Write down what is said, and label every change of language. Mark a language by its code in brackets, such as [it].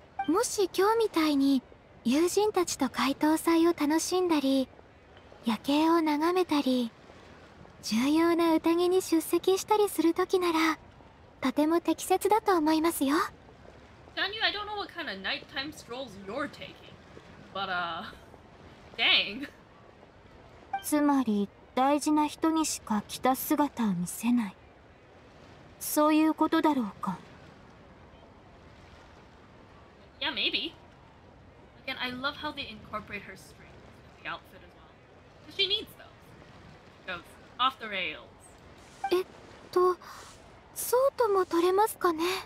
[ja] もし今日みたいに友人たちと解凍祭を楽しんだり夜景を眺めたり重要な宴に出席したりするときならとても適切だと思いますよ。 [en] Danyu, I don't know what kind of nighttime strolls you're taking, but, dang. [ja] つまり、大事な人にしか着た姿を見せない。そういうことだろうか。 [en] Yeah, maybe. Again, I love how they incorporate her strength in the outfit as well. Because she needs those. Goes off the rails. [ja] そうとも取れますかね。